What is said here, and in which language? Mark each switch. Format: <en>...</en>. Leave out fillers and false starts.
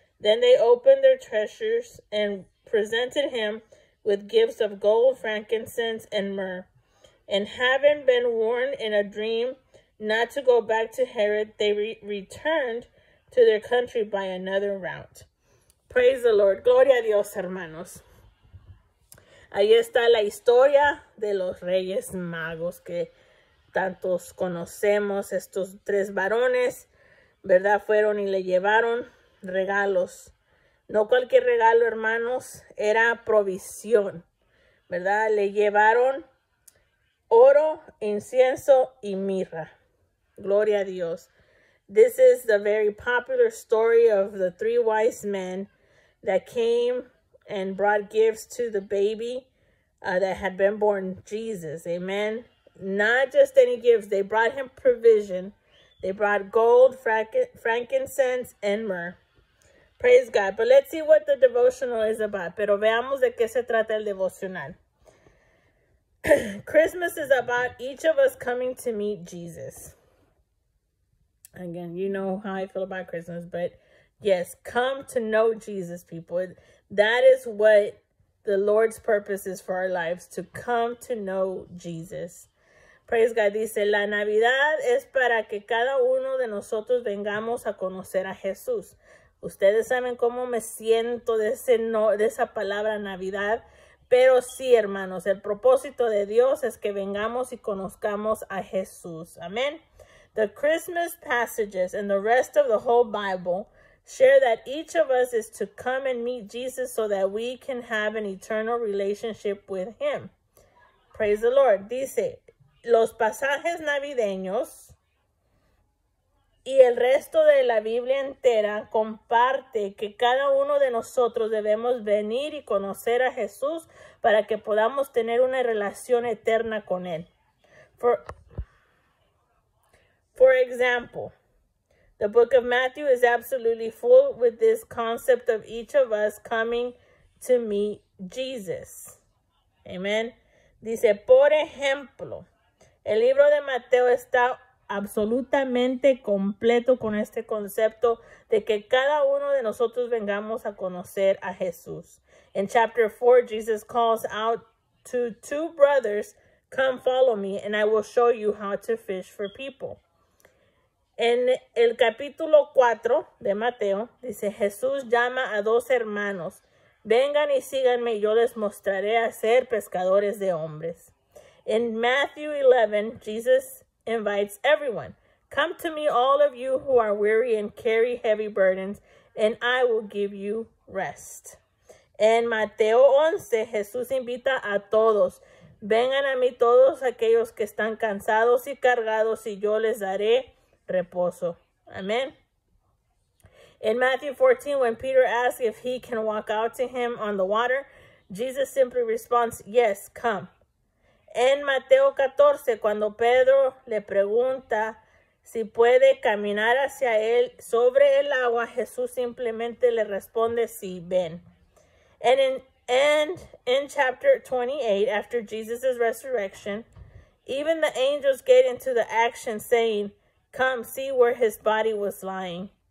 <en>Then they opened their treasures and presented him with gifts of gold, frankincense, and myrrh. And having been warned in a dream not to go back to Herod, they returned to their country by another route. Praise the Lord.</en> <es>Gloria a Dios, hermanos. Ahí está la historia de los Reyes Magos que tantos conocemos. Estos tres varones, ¿verdad? Fueron y le llevaron regalos. No cualquier regalo, hermanos, era provisión, ¿verdad? Le llevaron oro, incienso y mirra. Gloria a Dios.</es> <en>This is the very popular story of the three wise men that came and brought gifts to the baby that had been born, Jesus. Amen. Not just any gifts. They brought him provision. They brought gold, frankincense, and myrrh. Praise God. But let's see what the devotional is about.</en> <es>Pero veamos de qué se trata el devocional.</es> <en>Christmas is about each of us coming to meet Jesus. Again, you know how I feel about Christmas, but yes, come to know Jesus, people. That is what the Lord's purpose is for our lives, to come to know Jesus. Praise God.</en> <es>Dice, la Navidad es para que cada uno de nosotros vengamos a conocer a Jesús. Ustedes saben cómo me siento de ese no, de esa palabra Navidad. Pero sí, hermanos, el propósito de Dios es que vengamos y conozcamos a Jesús. Amén.</es> <en>The Christmas passages and the rest of the whole Bible share that each of us is to come and meet Jesus so that we can have an eternal relationship with him. Praise the Lord.</en> <es>Dice, los pasajes navideños y el resto de la Biblia entera comparte que cada uno de nosotros debemos venir y conocer a Jesús para que podamos tener una relación eterna con él.</es> <en>For example, the book of Matthew is absolutely full with this concept of each of us coming to meet Jesus. Amen.</en> <es>Dice, por ejemplo, el libro de Mateo está absolutamente completo con este concepto de que cada uno de nosotros vengamos a conocer a Jesús.</es> <en>In chapter 4, Jesus calls out to two brothers, come follow me and I will show you how to fish for people.</en> <es>En el capítulo 4 de Mateo, dice, Jesús llama a dos hermanos, vengan y síganme y yo les mostraré a ser pescadores de hombres.</es> <en>In Matthew 11, Jesus invites everyone, come to me, all of you who are weary and carry heavy burdens, and I will give you rest.</en> <es>En Mateo 11, Jesús invita a todos, vengan a mí todos aquellos que están cansados y cargados, y yo les daré reposo.</es> <en>Amen. In Matthew 14, when Peter asks if he can walk out to him on the water, Jesus simply responds, yes, come.</en> <es>En Mateo 14, cuando Pedro le pregunta si puede caminar hacia él sobre el agua, Jesús simplemente le responde, sí, ven.</es> <en>And in chapter 28, after Jesus' resurrection, even the angels get into the action saying, come, see where his body was lying.</en>